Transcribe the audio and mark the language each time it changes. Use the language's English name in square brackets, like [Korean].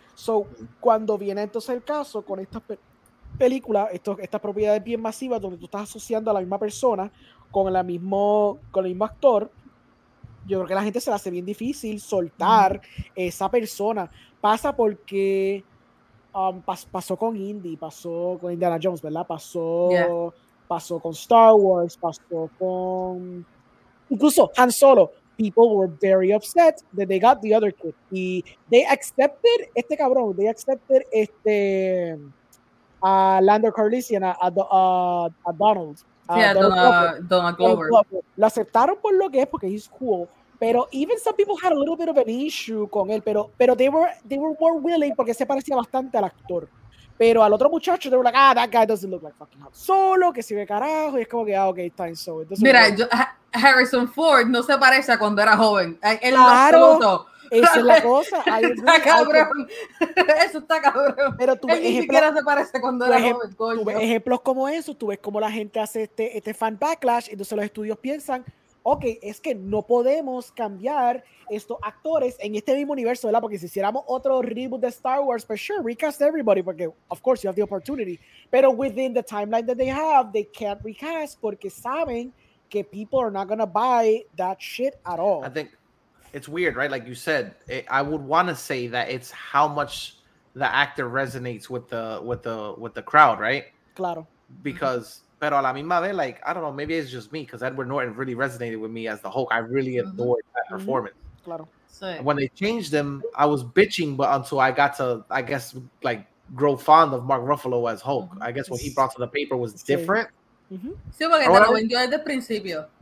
[Spanish] So, cuando viene entonces el caso con estas películas, estas propiedades bien masivas, donde tú estás asociando a la misma persona con el mismo actor, yo creo que la gente se le hace bien difícil soltar esa persona. Pasa porque pasó con Indy, pasó con Indiana Jones, ¿verdad? Pasó con Star Wars, pasó con... Incluso [English] Han Solo, people were very upset that they got the other kid. [Spanish] Y [English] they accepted [Spanish] este cabrón, [English] they accepted [Spanish] este [English] Lando Calrissian [Spanish] a Donald Glover. Lo aceptaron por lo que es, porque [English] he's cool. [Spanish] Pero [English] even some people had a little bit of an issue [Spanish] con él, pero [English] they were more willing [Spanish] porque se parecía bastante al actor. Pero al otro muchacho, [English] they were like, that guy doesn't look like fucking Han Solo, [Spanish] que sirve carajo, y es como que, [English] okay, it's time, so it doesn't [Spanish] Mira, yo, Harrison Ford no se parece a cuando era joven. El claro, esa es la cosa. Eso está cabrón. Pero tú ves ni siquiera se parece cuando era joven. Tú ves ejemplos como eso, tú ves cómo la gente hace este fan backlash, entonces los estudios piensan, ok, es que no podemos cambiar estos actores en este mismo universo, ¿verdad? Porque si hiciéramos otro reboot de [English] Star Wars, for sure, recast everybody, [Spanish] porque, [English] of course, you have the opportunity. [Spanish] Pero [English] within the timeline that they have, they can't recast [Spanish] porque saben que [English] people are not going to buy that shit at all. I think it's weird, right? Like you said, I would want to say that it's how much the actor resonates with the crowd, right? [Spanish] Claro. [English] Because... [Spanish] Pero a la misma vez, [English] like, I don't know, maybe it's just me, because Edward Norton really resonated with me as the Hulk. I really adored that performance. [Spanish] Claro. Sí. [English] When they changed him, I was bitching, but until I got to, I guess, like, grow fond of Mark Ruffalo as Hulk. I guess what he brought to the paper was different. [Spanish] Sí, porque te lo vendió desde el principio.